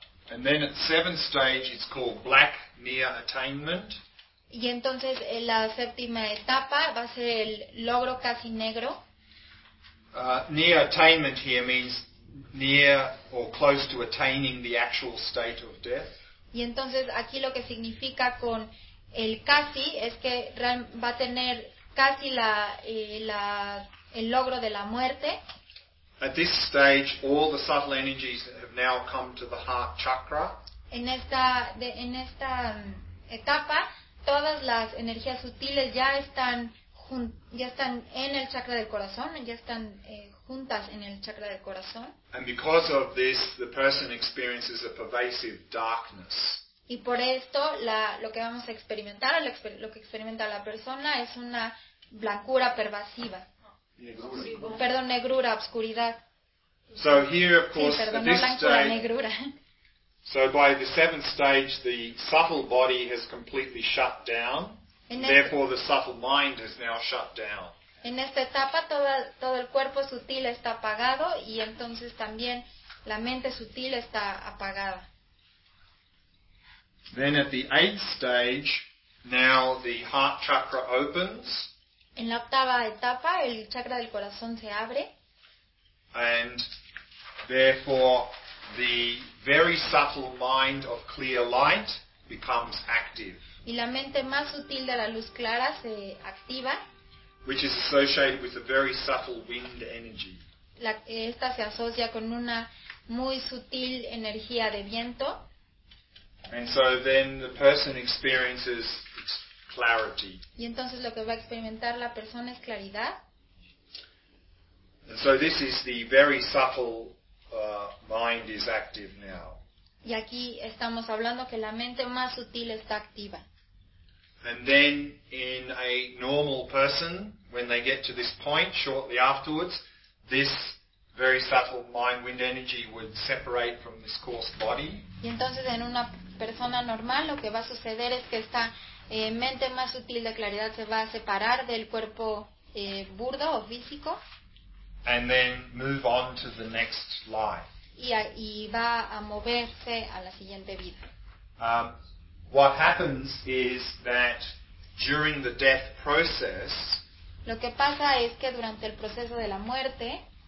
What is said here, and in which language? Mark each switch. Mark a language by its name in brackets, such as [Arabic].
[English] And then at seventh stage, it's called black near attainment. [Spanish] Y entonces en la séptima etapa va a ser el logro casi negro. [English] Near attainment here means near or close to attaining the actual state of death. [Spanish] Y entonces aquí lo que significa con el casi es que va a tener casi el logro de la muerte. [English] At this stage, all the subtle energies have now come to the heart chakra. [Spanish] En esta etapa, todas las energías sutiles ya están en el chakra del corazón, ya están juntas en el chakra del corazón. [English] And because of this, the person experiences a pervasive darkness. [Spanish] Y por esto, lo que vamos a experimentar, lo que experimenta la persona, es una blancura pervasiva. Negrura. Perdón, negrura, obscuridad. [English] So here, of course, [Spanish] sí, perdón, [English] at this [Spanish] blancura, [English] stage, [Spanish] negrura. [English] So by the seventh stage, the subtle body has completely shut down. Therefore, the subtle mind is now shut down. [Spanish] En esta etapa, todo el cuerpo sutil está apagado y entonces también la mente sutil está apagada. [English] Then at the eighth stage, now the heart chakra opens. [Spanish] En la octava etapa, el chakra del corazón se abre. [English] And therefore, the very subtle mind of clear light becomes active. [Spanish] Y la mente más sutil de la luz clara se activa. [English] Which is associated with a very subtle wind energy. [Spanish] Esta se asocia con una muy sutil energía de viento. [English] And so then the person experiences clarity. [Spanish] Y entonces lo que va a experimentar la persona es claridad. [English] And so this is the very subtle mind is active now. [Spanish] Y aquí estamos hablando que la mente más sutil está activa. [English] And then in a normal person, when they get to this point shortly afterwards, this very subtle mind-wind energy would separate from this coarse body. [Spanish] Y entonces en una persona normal lo que va a suceder es que esta mente más sutil de claridad se va a separar del cuerpo burdo o físico. [English] And then move on to the next life. [Spanish] y va a moverse a la siguiente vida. [English] What happens is that during the death process, [Spanish] lo que pasa es que durante el proceso de la muerte,